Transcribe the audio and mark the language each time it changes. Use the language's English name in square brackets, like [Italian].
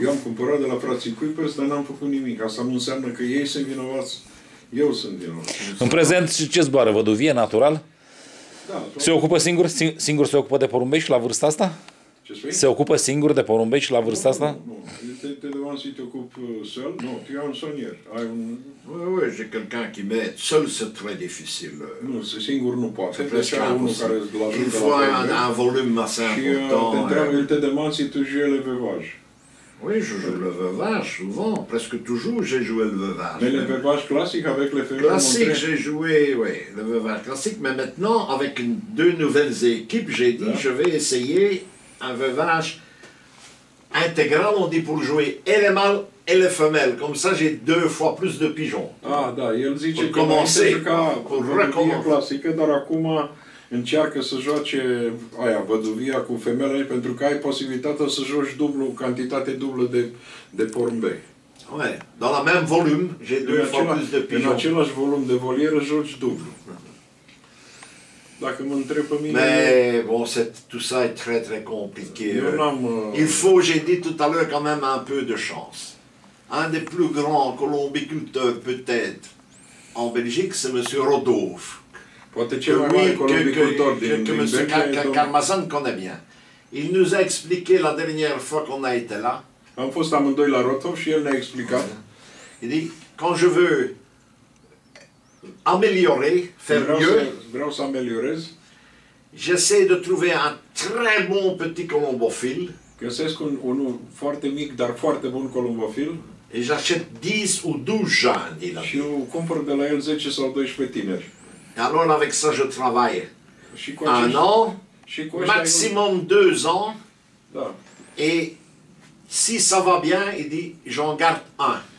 [Romanian] Eu am cumpărat de la frații Kuipers, dar n-am făcut nimic. Asta nu înseamnă că ei sunt vinovați. Eu sunt vinovat. În prezent, ce zboară? Văduvie, natural? Da. Se ocupă singur? Singur se ocupă de porumbei și la vârsta asta? Ce spui? Se ocupă singur de porumbei și la vârsta asta? Nu. [French] Te demand si [Romanian] te ocupi seul? Nu. Tu ai un sonier. Ai un... [French] Oui, j'ai quelqu'un qui met. Seul, c'est très difficile. [Romanian] Nu, singur nu poate. Deci ai unul care îți l-ajută. [French] Il faut un volume assez important. Și te demand si tu joues le veuvage. Oui, je joue le veuvage, souvent. Presque toujours, j'ai joué le veuvage. Mais le veuvage classique avec les femelles montrées. Classique, j'ai joué, oui, le veuvage classique. Mais maintenant, avec deux nouvelles équipes, j'ai dit, je vais essayer... Un veuvage intégral, on dit, pour jouer et les mâles et les femelles. Comme ça, j'ai deux fois plus de pigeons. [Romanian] Ah, da, el zice [French] pour commencer, pour recommencer. [Romanian] Clasică, dar acum încearcă să joace aia, văduvia cu femele, pentru că ai posibilitatea să joci dublu, cantitate dublă de porumbei. [French] Oui, dans la même volume, j'ai deux fois plus de pigeons. [Romanian] În același volum de volieră joci dublu. Dacă mă întreb pe mine... [French] Mais, bon, tout ça est très, très compliqué. Il faut, j'ai dit tout à l'heure, quand même un peu de chance. Un des plus grands columbiculteurs, peut-être, en Belgique, c'est M. Rodolphe. [Romanian] Poate cel mai mare columbiculteur din [French] Belgique. Que M. Carmazan connaît bien. Il nous a expliqué la dernière fois qu'on a été là. [Romanian] Am fost amândoi la Rodolphe și el ne-a explicat. [French] Il dit, quand je veux... Améliorer, faire mieux. [Romanian] Vreau să ameliorez. [French] J'essaie de trouver un très bon petit colombophile. [Romanian] Găsesc un foarte mic, dar foarte bun colombofil. [French] Et j'achète 10 ou 12 jeunes, il a dit. [Romanian] Și eu cumpăr de la el 10 sau 12 tineri. [French] Alors avec ça je travaille. [Romanian] Și cu acești... Un an, și cu acești... maximum 2 ans. Da. [French] Et si ça va bien, il dit, j'en garde un.